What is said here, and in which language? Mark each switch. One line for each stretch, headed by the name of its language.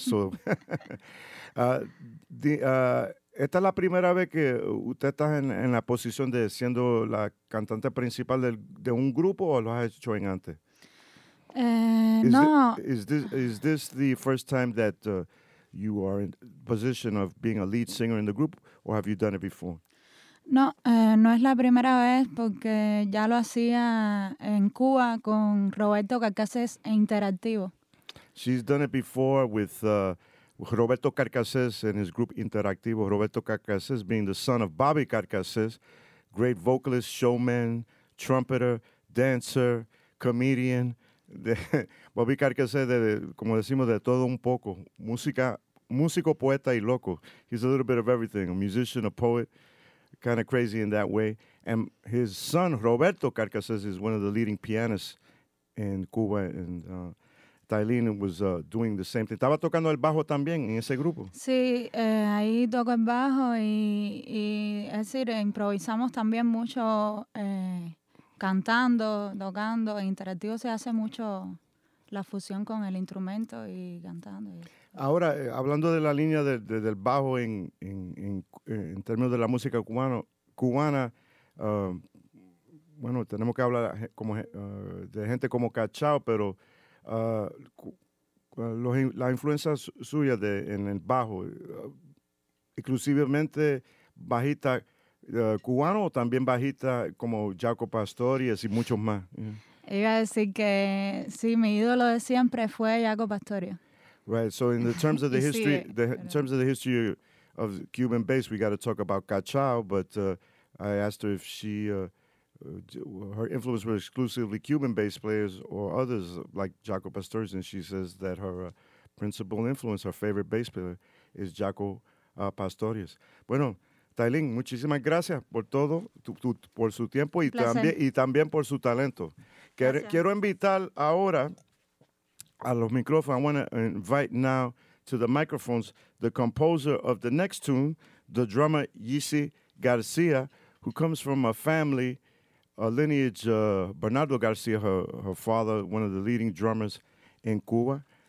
Spanish: So, esta es la primera vez que usted está en la posición de siendo la cantante principal de un grupo, o lo has hecho en antes? No.
English: Is this the first time that you are in position of being a lead singer in the group, or have you done it before?
Spanish: No, no es la primera vez, porque ya lo hacía en Cuba con Roberto Carcassés e Interactivo.
English: She's done it before with Roberto Carcassés and his group Interactivo. Roberto Carcassés being the son of Bobby Carcassés, great vocalist, showman, trumpeter, dancer, comedian.
Spanish: Bobby Carcassés, como decimos, de todo un poco. Músico, poeta y loco.
English: He's a little bit of everything, a musician, a poet, kind of crazy in that way. And his son, Roberto Carcassés, is one of the leading pianists in Cuba. And Tylene was doing the same thing.
Spanish: ¿Estaba tocando el bajo también en ese grupo? Sí, ahí toco el bajo y es decir, improvisamos también mucho cantando, tocando. Interactivo se hace mucho la fusión con el instrumento y cantando. Ahora, hablando de la línea del bajo en términos de la música cubana, bueno, tenemos que hablar de gente como Cachao, pero la influencia suya en el bajo, exclusivamente bajista cubano, o también bajista como Jaco Pastorius y muchos más.
English: Yeah.
Spanish: Iba a decir que sí, mi ídolo de siempre fue Jaco Pastorius.
English: Right. So in the terms of the history, of Cuban bass, we got to talk about Cachao. But I asked her if she her influence was exclusively Cuban bass players or others like Jaco Pastorius, and she says that her principal influence, her favorite bass player, is Jaco Pastorius.
Spanish: Bueno, Tylene, muchísimas gracias por todo, por su tiempo y también por su talento. Quiero invitar ahora a los micrófonos.
English: I want to invite now to the microphones the composer of the next tune, the drummer Yisi Garcia, who comes from a family, a lineage, Bernardo Garcia, her father, one of the leading drummers in Cuba.